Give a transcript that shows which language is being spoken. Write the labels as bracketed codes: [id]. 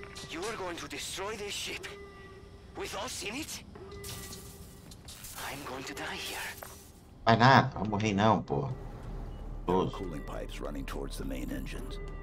[en] You are going to destroy this ship? With us in it? I'm going to die here. [pt] Vai nada, vamos morrer não, pô. [en] Cooling pipes running towards the main engines.